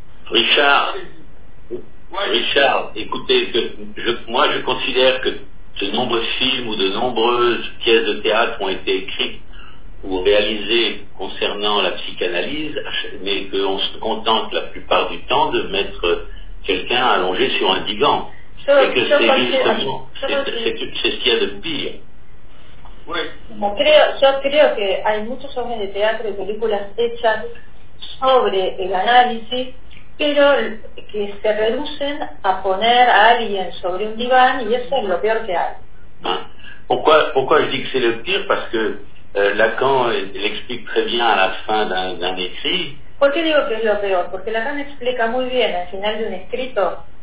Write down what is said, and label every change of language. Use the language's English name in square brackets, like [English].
[French] Richard, écoutez, moi je considère que de nombreux films ou de nombreuses pièces de théâtre ont été écrites ou réalisées concernant la psychanalyse, mais qu'on se contente la plupart du temps de mettre quelqu'un allongé sur un divan. C'est ce qu'il y a de pire. [Spanish] Yo creo que hay muchos obras de teatro y películas hechas sobre el análisis, pero que se reducen a poner a alguien sobre un diván, y eso es lo peor que hay. [French] Pourquoi je dis que c'est le pire? Parce que Lacan l'explique très bien à la fin d'un écrit. [Spanish] ¿Por qué digo que es lo peor? Porque Lacan explica muy bien al final de un escrito.